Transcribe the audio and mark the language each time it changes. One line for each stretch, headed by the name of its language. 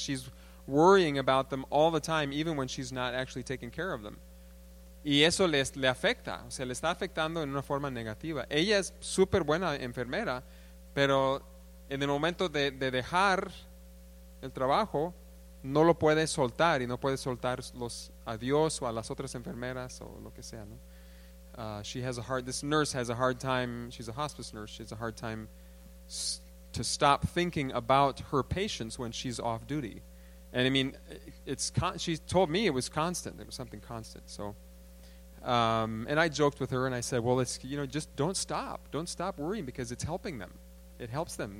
English: She's worrying about them all the time, even when she's not actually taking care of them.
Spanish: Y eso le afecta. O sea, le está afectando en una forma negativa. Ella es súper buena enfermera, pero en el momento de dejar el trabajo, no lo puede soltar y no puede soltar a Dios o a las otras enfermeras o lo que sea, ¿no?
English: This nurse has a hard time, she's a hospice nurse, she has a hard time to stop thinking about her patients when she's off duty. And I mean, she told me it was constant, it was something constant. So, and I joked with her and I said, well, it's, you know, just don't stop worrying because it's helping them. It helps them.